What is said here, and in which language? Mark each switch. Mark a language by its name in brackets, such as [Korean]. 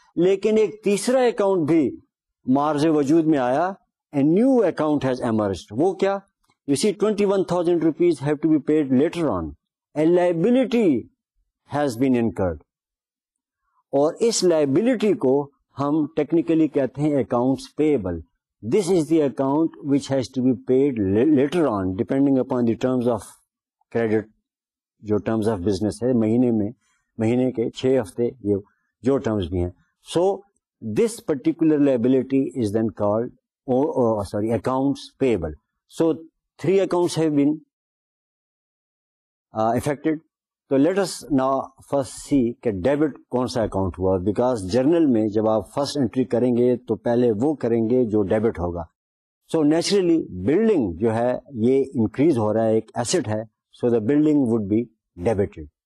[Urdu] لیکن ایک تیسرا اکاؤنٹ بھی مارز وجود میں آیا، [English] And new account has emerged. [Urdu] وہ کیا؟ [English] You see 21,000 rupees have to be paid later on, and liability has been incurred. [Urdu] اور اس لائبلٹی کو ہم ٹیکنیکلی کہتے ہیں accounts payable. [English] This is the account which has to be paid later on depending upon the terms of credit. [Urdu] جو [English] terms of business [Urdu] ہے مہینے میں، مہینے کے 6 ہفتے یہ جو terms بھی ہیں. [English] So this particular liability is then called accounts payable. So 3 accounts have been affected. So let us now first see [Urdu] کہ debit کون سا اکاؤنٹ ہوا، بیکاز جرنل میں جب آپ فرسٹ انٹری کریں گے تو پہلے وہ کریں گے جو ڈیبٹ ہوگا. سو نیچرلی بلڈنگ جو ہے یہ انکریز ہو رہا ہے، ایک ایسٹ ہے، [English] So the building would be debited.